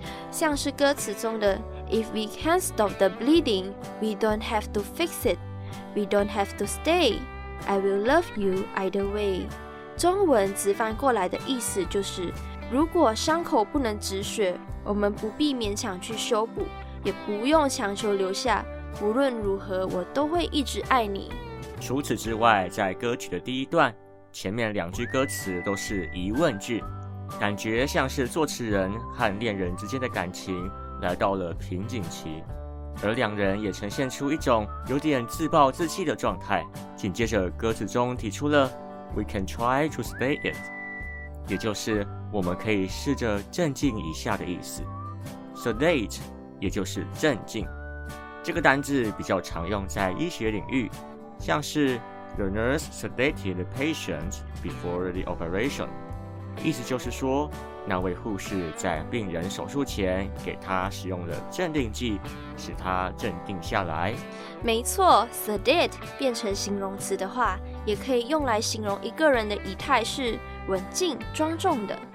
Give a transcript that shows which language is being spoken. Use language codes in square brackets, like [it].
[zh] 像是歌词中的 [en] If we can't stop the bleeding, we don't have to fix it. We don't have to stay. I will love you either way. [zh] 中文直翻过来的意思就是，如果伤口不能止血，我们不必勉强去修补，也不用强求留下，无论如何我都会一直爱你。除此之外，在歌曲的第一段前面两句歌词都是疑问句，感觉像是作词人和恋人之间的感情来到了瓶颈期，而两人也呈现出一种有点自暴自弃的状态。紧接着歌词中提出了 [en] We can try to stay it， [zh] 也就是我们可以试着镇静一下的意思。 Sedate 也就是镇静，这个单字比较常用在医学领域，像是 [en] The nurse sedated the patient before the operation. [zh] 意思就是说，那位护士在病人手术前给他使用了镇定剂，使他镇定下来。没错 ，sedate 变成形容词的话，也可以用来形容一个人的仪态是稳静、庄重的。